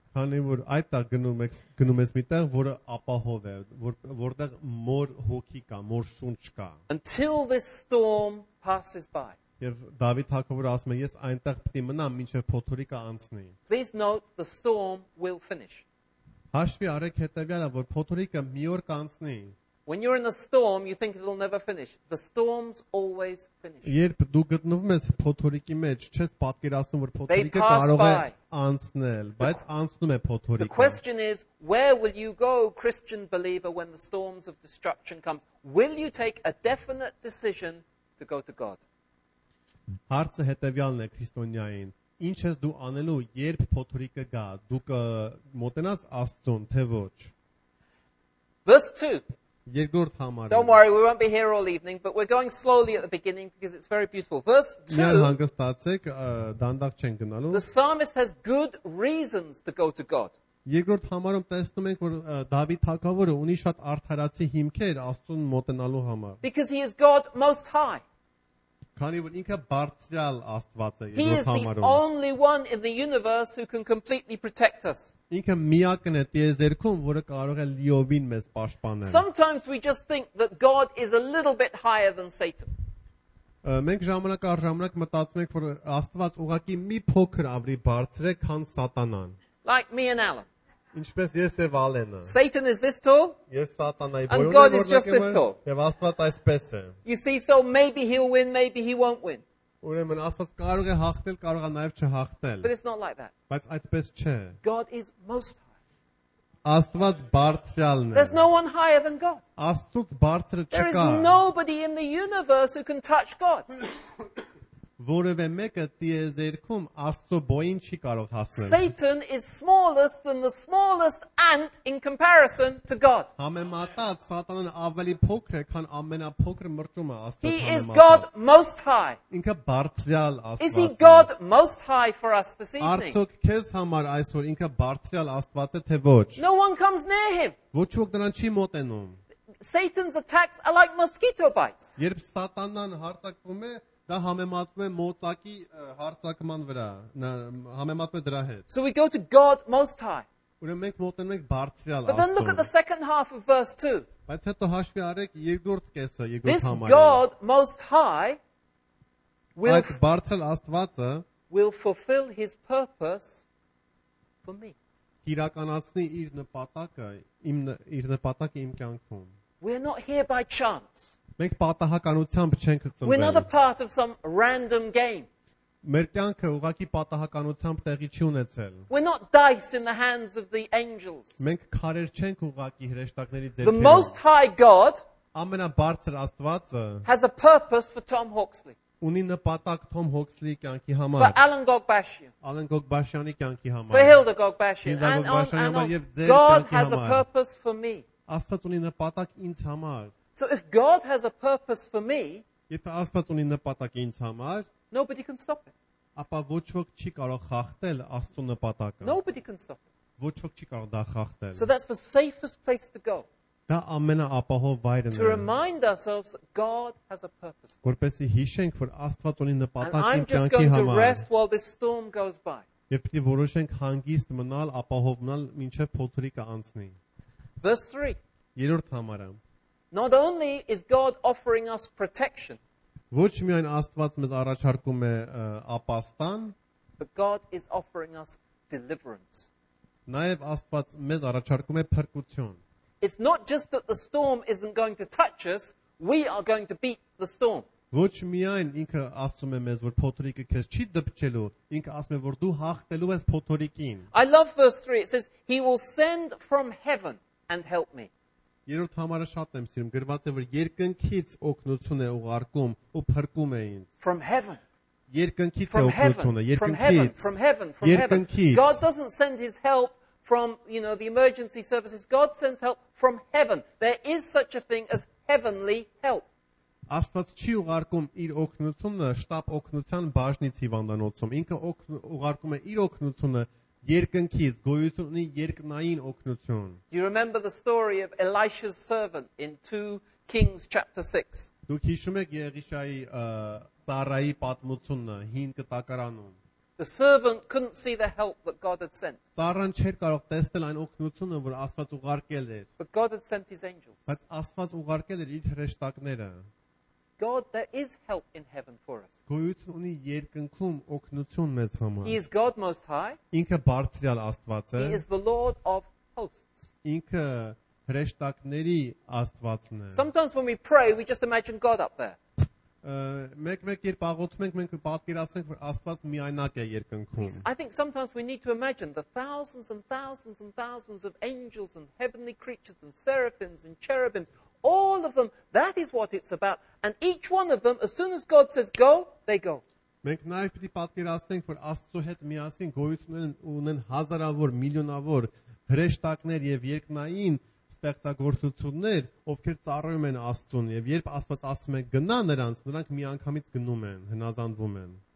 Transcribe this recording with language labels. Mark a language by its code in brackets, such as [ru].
[hy] Քանի որ այդ տակ գնում ես միտեղ, որը ապահով է, որտեղ մոր հոգի կա, մոր շունչ կա. [en] Until this storm passes by. [hy] Եվ Դավիթ հակոբը ասում է, ես այնտեղ պետք է մնամ, մինչև փոթորիկը անցնի. [en] Please note, the storm will finish. [hy] Հաշվի արեք հետևյալը, որ փոթորիկը մի օր կանցնի. [en] When you're in a storm, you think it'll never finish. The storms always finish. [hy] Երբ դու գտնվում ես փոթորիկի մեջ, չես պատկերացնում, որ փոթորիկը կարող է անցնել, բայց անցնում է փոթորիկը. [en] The question is, where will you go, Christian believer, when the storms of destruction comes? Will you take a definite decision to go to God? [hy] Հարցը հետևյալն է քրիստոնյային. Ինչ ես դու անելու, երբ փոթորիկը գա, դու կմոտենաս Աստծուն, թե ոչ? [en] Verse 2. [hy] Երկրորդ համարը. [en] Don't worry, we won't be here all evening, but we're going slowly at the beginning because it's very beautiful. Verse 2. [hy] Մի հանգստացեք, դանդաղ չենք գնալու. [en] The psalmist has good reasons to go to God. [hy] Երկրորդ համարում տեսնում ենք, որ Դավիթ թագավորը ունի շատ արդարացի հիմքեր Աստծուն մոտենալու համար. [en] Because he is God most high. [hy] Քանի որ ինքը բարձրալ Աստված է երկրորդ համարում. [en] He is the only one in the universe who can completely protect us. [hy] Ինքը միակն է տիեզերքում, որը կարող է լիովին մեզ պաշտպանել. [en] Sometimes we just think that God is a little bit higher than Satan. [hy] Մենք ժամանակ առ ժամանակ մտածում ենք, որ Աստված ուղղակի մի փոքր ավելի բարձր է, քան Սատանան. [en] Like me and Alan. [hy] Ինչպես ես եւ Ալենը. [en] Satan is this tall? [hy] Ես Սատանայի բոլորն եմ։ [en] And God is just this tall. [hy] Եվ Աստված այսպես է։ [en] You see, so maybe he'll win, maybe he won't win. [hy] Ուրեմն Աստված կարող է հաղթել, կարող է նաև չհաղթել։ [en] But it's not like that. [hy] Բայց այդպես չէ։ [en] God is most high. [hy] Աստված բարձրալն է։ [en] There's no one higher than God. [hy] Աստուծո բարձրը չկա։ [en] There is nobody in the universe who can touch God. [hy] որևէ մեկը դիեզերքում աստծո բոյին չի կարող հասնել. [en] Satan is smaller than the smallest ant in comparison to God. [hy] Համեմատած Սատանն ավելի փոքր է քան ամենափոքր մրճումը աստծո համեմատած. [en] He is God most high. [hy] Ինքը բարձրյալ աստված է. [en] Is he God most high for us this evening? [hy] Արդյոք քեզ համար այսօր ինքը բարձրյալ աստված է թե ոչ? [en] No one comes near him. [hy] Ոչ ոք նրան չի մոտենում. [en] Satan's attacks are like mosquito bites. [hy] Երբ Սատանն հարձակվում է դա համեմատվում է մոծակի հարձակման վրա, համեմատվում է դրա հետ. [en] So we go to God most high. [hy] Ուրեմն մենք մոտենում ենք բարձրյալ աստծո. [en] But then look at the second half of verse 2. [hy] Բայց հետո հաշվի առեք երկրորդ կեսը, երկրորդ համարը. [en] This God most high will [hy] Այս բարձրյալ աստվածը [en] will fulfill his purpose for me. [hy] Իրականացնի իր նպատակը իմ իր նպատակը իմ կյանքում. [en] We are not here by chance. [hy] Մենք պատահականությամբ չենք ծնվել։ [en] We're not a part of some random game. [hy] Մեր կյանքը ուղղակի պատահականությամբ տեղի չի ունեցել։ [en] We're not dice in the hands of the angels. [hy] Մենք քարեր չենք ուղղակի հրեշտակների ձեռքերում։ [en] The most high God [hy] ամենաբարձր Աստվածը [en] has a purpose for Tom Hawksley. [hy] Ունի նպատակ Թոմ Հոքսլիի կյանքի համար։ [en] For Alan Gogbashian. [hy] Alan Gogbashian-ի կյանքի համար։ [en] For Hilda Gogbashian. [hy] Hilda Gogbashian-ի համար եւ ձեր կյանքի համար։ [en] God has a purpose for me. [hy] Աստված ունի նպատակ ինձ համար։ [en] So if God has a purpose for me, [hy] եթե Աստված ունի նպատակ ինձ համար, [en] nobody can stop it. [hy] Ապա ոչ ոք չի կարող խախտել Աստծո նպատակը. [en] Nobody can stop it. [hy] Ոչ ոք չի կարող դա խախտել. [en] So that's the safest place to go. [hy] Դա ամենաապահով վայրն է. [en] To remind ourselves that God has a purpose. [hy] Որպեսզի հիշենք, որ Աստված ունի նպատակ ինձ համար. [en] And I'm just going to rest while this storm goes by. [hy] Եթե պիտի որոշենք հանգիստ մնալ, ապահով մնալ, մինչև փոթորիկը անցնի. [en] Verse 3. [hy] Երրորդ համարը. [en] Not only is God offering us protection. [hy] Ոչ միայն Աստված մեզ առաջարկում է ապաստան, [en] but God is offering us deliverance. [hy] Նաև Աստված մեզ առաջարկում է փրկություն. [en] It's not just that the storm isn't going to touch us, we are going to beat the storm. [hy] Ոչ միայն ինքը ասում է մեզ, որ փոթորիկը քեզ չի դպչելու, ինքը ասում է, որ դու հաղթելու ես փոթորիկին. [en] I love verse 3. It says he will send from heaven and help me. [hy] Երրորդ համարը շատ եմ սիրում, գրված է, որ երկնքից օգնություն է ուղարկում ու փրկում է ինձ։ [en] From heaven. [hy] Երկնքից է օգնությունը, երկնքից։ [en] From heaven, from heaven, from heaven. God doesn't send his help from, you know, the emergency services. God sends help from heaven. There is such a thing as heavenly help. [hy] Աստված չի ուղարկում իր օգնությունը շտաբ օգնության բաժնից հիվանդանոցում։ Ինքը ուղարկում է իր օգնությունը երկնքից, գոյություն ունի երկնային օգնություն։ [en] You remember the story of Elisha's servant in 2 Kings chapter 6. [hy] Դուք հիշում եք Եղիշայի ծառայի պատմությունը 5 կտակարանում։ [en] The servant couldn't see the help that God had sent. [hy] Ծառան չէր կարող տեսնել այն օգնությունը, որ Աստված ուղարկել էր։ [en] But God had sent his angels. [hy] Բայց Աստված ուղարկել էր իր հրեշտակները։ [en] God, there is help in heaven for us. [hy] Գոյություն ունի երկնքում օգնություն մեզ համար։ [en] He is God most high. [hy] Ինքը բարձրյալ Աստված է։ [en] He is the Lord of hosts. [hy] Ինքը հրեշտակների Աստվածն է։ [en] Sometimes when we pray, we just imagine God up there. [hy] Մեկ-մեկ երբ աղոթում ենք, մենք պատկերացնենք, որ Աստված միայնակ է երկնքում։ [en] I think sometimes we need to imagine the thousands and thousands and thousands of angels and heavenly creatures and seraphims and cherubims. All of them, that is what it's about. And each one of them, as soon as God says go, they go. [hy] Մենք նաև պիտի պատկերացնենք, որ Աստծո հետ միասին գոյություն ունեն հազարավոր, միլիոնավոր հրեշտակներ եւ երկնային ստեղծագործություններ, ովքեր ծառայում են Աստծուն, եւ երբ Աստված ասում է գնա նրանց, նրանք միանգամից գնում են, հնազանդվում են.